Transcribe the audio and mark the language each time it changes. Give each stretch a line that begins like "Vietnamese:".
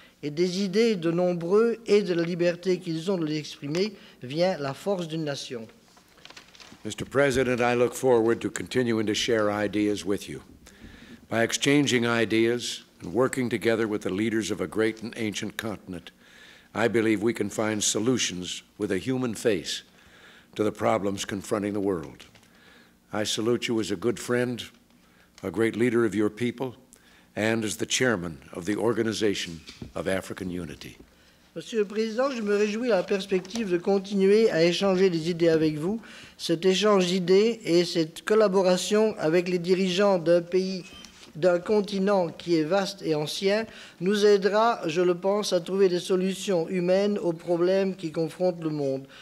French: Et des idées de nombreux et de la liberté qu'ils ont de les exprimer vient la force d'une nation.
English: Mr. President, I look forward to continuing to share ideas with you. By exchanging ideas and working together with the leaders of a great and ancient continent, I believe we can find solutions with a human face to the problems confronting the world. I salute you as a good friend, a great leader of your people, and as the chairman of the Organization of African Unity.
French: Monsieur le Président, je me réjouis à la perspective de continuer à échanger des idées avec vous. Cet échange d'idées et cette collaboration avec les dirigeants d'un pays, d'un continent qui est vaste et ancien, nous aidera, je le pense, à trouver des solutions humaines aux problèmes qui confrontent le monde.